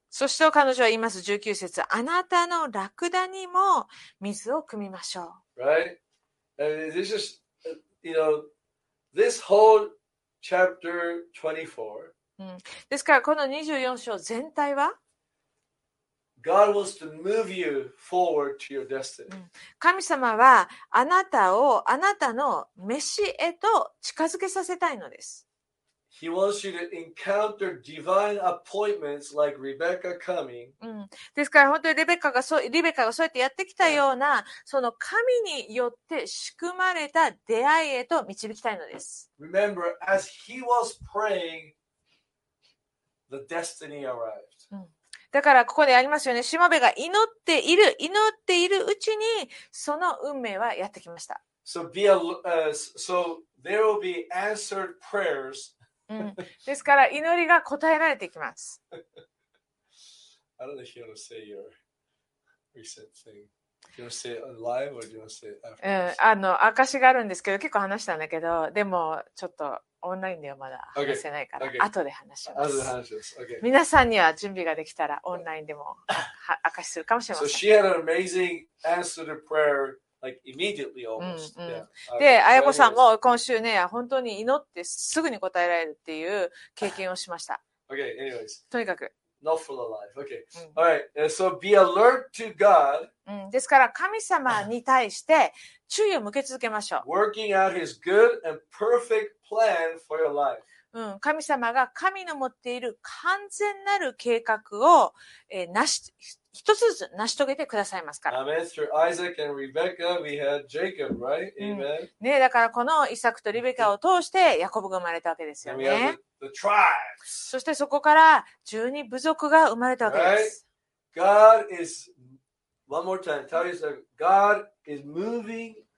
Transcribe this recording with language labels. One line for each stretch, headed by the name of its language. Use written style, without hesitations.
Japanese: そして彼女は言います、19節。あなたのラクダにも水を汲みましょう。
English: Right? And this is, you know, this whole chapter 24.
Japanese: ですからこの24章全体は
English: God wants to move you forward to your destiny.
Japanese: 神様はあなたをあなたの召しへと近づけさせたいのです。
English: He wants you to encounter divine appointments like Rebecca coming.
Japanese: ですから本当にリベカがそうやってやってきたような、その神によって仕組まれた出会いへと導きたいのです。
English: Remember, as he was praying, the destiny arrived.
Japanese: だからここでありますよね。しもべが祈っているうちにその運命はやってきました。
English: So be a, so there will be answered prayers.
Japanese: ですから祈りが答えられていきます。
English: I don't know if you want to say your recent thing. Do you want to say it live or do you want to say it after?
Japanese: 証しがあるんですけど、結構話したんだけど、でもちょっと。オンラインではまだ話せないから、
English: okay.
Japanese: 後で話します。
English: Okay.
Japanese: 皆さんには準備ができたらオンラインでも明かしするかもしれません。
English: So she had an amazing answer to prayer like immediately almost.
Japanese: で、あやこさんも今週ね、本当に祈ってすぐに答えられるっていう経験をしました。
English: Okay, anyways.
Japanese: とにかく。
English: Not full of life. Okay. All right. So be alert to God.
Japanese: ですから神様に対して注意を向け続けましょう。
English: Working out His good and perfect plan for your life.
Japanese: 神様が神の持っている完全なる計画を、一つずつ成し遂げてくださいますから。
English: Amen. Through Isaac and Rebecca, we had Jacob, right? Amen.
Japanese: だからこのイサクとリベカを通してヤコブが生まれたわけですよね。そしてそこから十二部族が生まれたわけです。
English: Right? God is, one more time, tell yourself, God is moving.